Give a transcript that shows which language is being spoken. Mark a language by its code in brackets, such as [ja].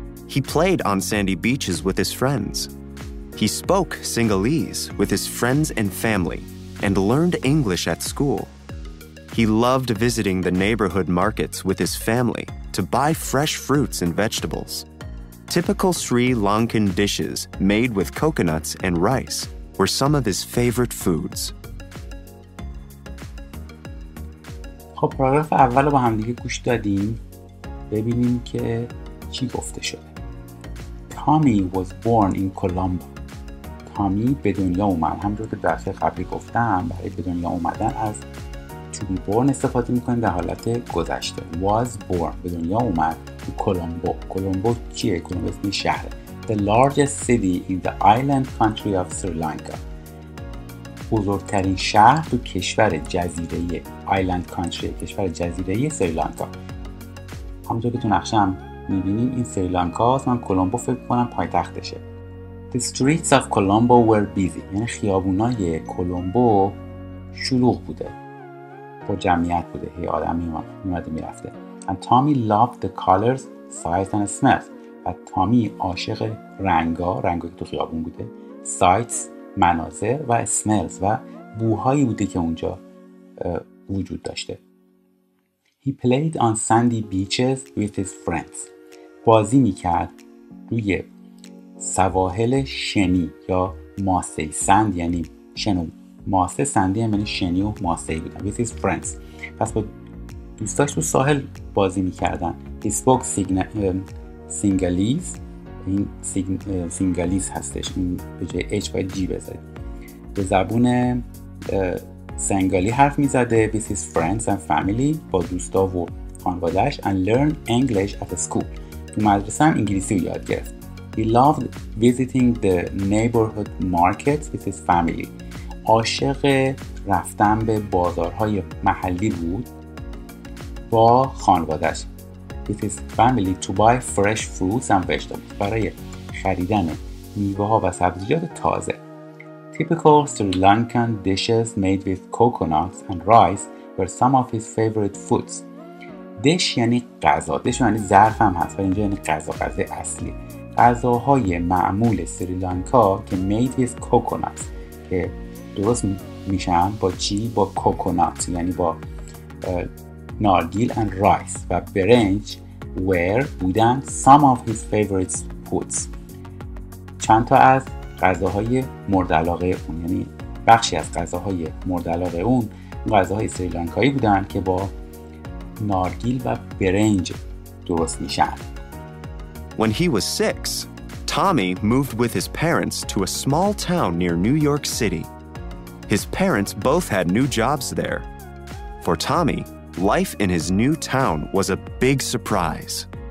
[en] He played on sandy beaches with his friends. He spoke Sinhalese with his friends and family, and learned English at school. He loved visiting the neighborhood markets with his family to buy fresh fruits and vegetables. Typical Sri Lankan dishes made with coconuts and rice were some of his favorite foods. [fa] خب پاراگراف اول رو با هم دیگه گوش دادیم، ببینیم که چی گفته شده. [en] Tommy was born in Colombo. [fa] Tommy به دنیا اومد، همونطور که درس قبلی گفتم برای به دنیا اومدن از [en] to be born [fa] استفاده میکنیم در حالت گذشته. [en] Was born، [fa] به دنیا اومد تو کولومبو. کولومبو چیه؟ کولومبو اسم شهره. [en] The largest city in the island country of Sri Lanka. [fa] بزرگترین شهر تو کشور جزیره [en] island country، [fa] کشور جزیره سریلانکا. همونطور که تو نقشه هم میبینیم این سریلانکا هست، من کولومبو فکر کنم پایتختشه. [en] The streets of Colombo were busy. [fa] یعنی خیابونای کولومبو شلوغ بوده، پر جمعیت بوده، هی آدم میومده میرفته. [en] And Tommy loved the colors, sights and smells. [fa] و تامی عاشق رنگا، رنگا که تو خیابون بوده، سایتس، مناظر و اسمیلز و بوهایی بوده که اونجا وجود داشته. [en] He played on sandy beaches with his friends. [fa] بازی میکرد روی سواحل شنی یا ماسه. سند یعنی شنو، ماسه سندی یعنی شنی و ماسه بودن. [en] With his friends، [fa] پس با دوستاش تو ساحل بازی میکردن. [en] He spoke Sinhalese، [fa] این سینگالیز هستش، این به جای اچ باید جی بذارید، به زبون سینگالی حرف میزده. [en] With his friends and family، [fa] با دوستا و خانوادهش. [en] And learn English at school، [fa] تو مدرسه هم انگلیسی رو یاد گرفت. [en] He loved visiting the neighborhood markets with his family، [fa] عاشق رفتن به بازارهای محلی بود با خانوادهش. [en] With his family to buy fresh fruits and vegetables، [fa] برای خریدن میوه ها و سبزیجات تازه. [en] Typical Sri Lankan dishes made with coconuts and rice were some of his favorite foods. [fa] Dish یعنی غذا، dish یعنی ظرف هم هست ولی اینجا یعنی غذا، غذا اصلی. غذاهای معمول سریلانکا که [en] made with coconuts، [fa] که درست میشن با چی؟ با coconut، یعنی با نارگیل [en] and rice [fa] و برنج، were بودن [en] some of his favorite foods، [fa] چند تا از غذاهای مورد علاقه اون، یعنی بخشی از غذاهای مورد علاقه اون غذاهای سریلانکایی بودن که با نارگیل و برنج درست میشن. [en] When he was 6, Tommy moved with his parents to a small town near New York City. His parents both had new jobs there. For Tommy, life in his new town was a big surprise.